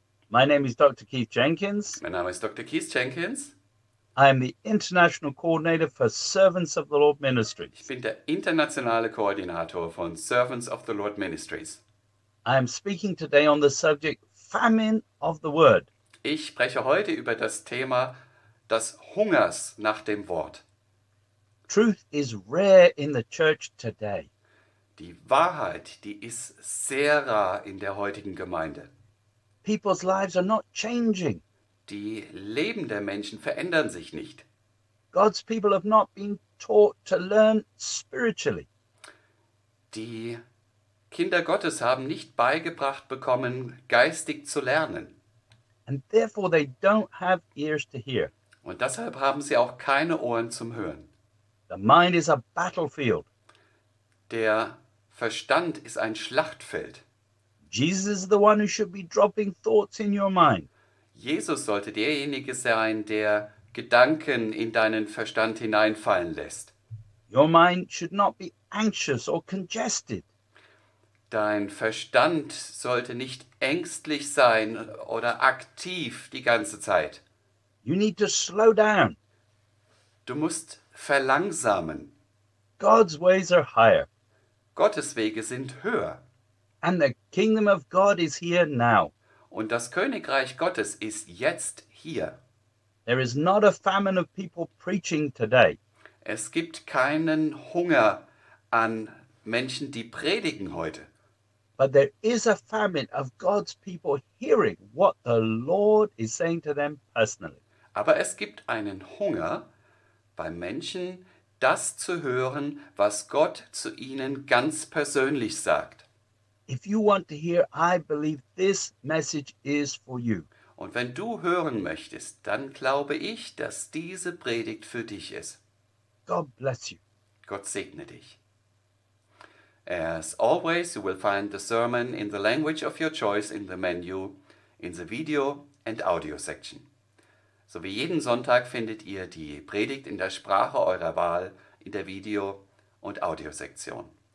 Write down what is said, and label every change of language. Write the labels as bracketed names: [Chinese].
[English] My name is Dr. Keith Jenkins. [German] Mein Name ist Dr. Keith Jenkins. [English] I am the International Coordinator for Servants of the Lord Ministries. [German] Ich bin der internationale Koordinator von Servants of the Lord Ministries. [English] I am speaking today on the subject Famine of the Word. [German] Ich spreche heute über das Thema des Hungers nach dem Wort. [English] Truth is rare in the church today. [German] Die Wahrheit, die ist sehr rar in der heutigen Gemeinde. [English] People's lives are not changing. [German] Die Leben der Menschen verändern sich nicht. [English] God's people have not been taught to learn spiritually. [German] Die Kinder Gottes haben nicht beigebracht bekommen, geistig zu lernen. [English] And therefore they don't have ears to hear. [German] Und deshalb haben sie auch keine Ohren zum Hören. [English] The mind is a battlefield. [German] Der Verstand ist ein Schlachtfeld. [English] Jesus is the one who should be dropping thoughts in your mind. [German] Jesus sollte derjenige sein, der Gedanken in deinen Verstand hineinfallen lässt. [English] Your mind should not be anxious or congested. [German] Dein Verstand sollte nicht ängstlich sein oder aktiv die ganze Zeit. [English] You need to slow down. [German] Du musst verlangsamen. [English] God's ways are higher. [German] Gottes Wege sind höher. [English] And the kingdom of God is here now. [German] Und das Königreich Gottes ist jetzt hier. [English] There is not a famine of people preaching today. [German] Es gibt keinen Hunger an Menschen, die predigen heute. [English] But there is a famine of God's people hearing what the Lord is saying to them personally. [German] Aber es gibt einen Hunger bei Menschen, das zu hören, was Gott zu ihnen ganz persönlich sagt. [English] If you want to hear, I believe this message is for you. [German] Und wenn du hören möchtest, dann glaube ich, dass diese Predigt für dich ist. [English] God bless you. [German] Gott segne dich. [English] As always, you will find the sermon in the language of your choice in the menu, in the video and audio section. [German] So wie jeden Sonntag findet ihr die Predigt in der Sprache eurer Wahl in der Video- und Audiosektion.